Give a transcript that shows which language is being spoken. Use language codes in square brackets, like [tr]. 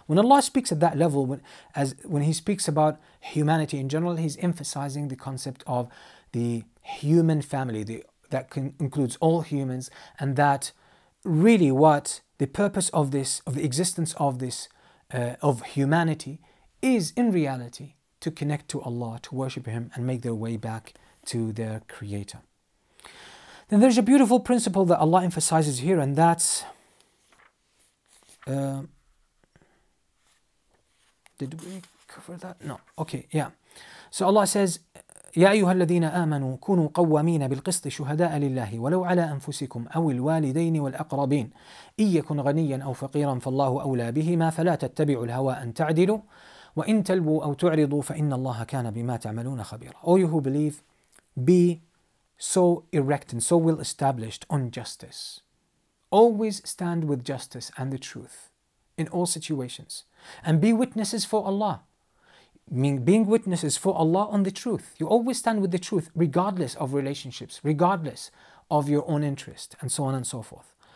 [en] When Allah speaks at that level, when He speaks about humanity in general, He's emphasizing the concept of the human family, that includes all humans, and that really what the purpose of this, of the existence of this, of humanity, is in reality to connect to Allah, to worship Him, and make their way back to their Creator. Then there's a beautiful principle that Allah emphasizes here, and that's did we cover that? No. Okay. Yeah. So Allah says, [ar] يا أيها الذين آمنوا كونوا قوامين بالقسط شهداء لله ولو على أنفسكم أو الوالدين والأقربين إن يكن غنيا أو فقيرا فالله أولى بهما فلا تتبعوا الهوى أن تعدلوا وإن تلووا أو تعرضوا فإن الله كان بما تعملون خبيرا. [en] O you who believe, be so erect and so well established on justice. Always stand with justice and the truth in all situations, and be witnesses for Allah. Being witnesses for Allah on the truth. You always stand with the truth, regardless of relationships, regardless of your own interest, and so on and so forth.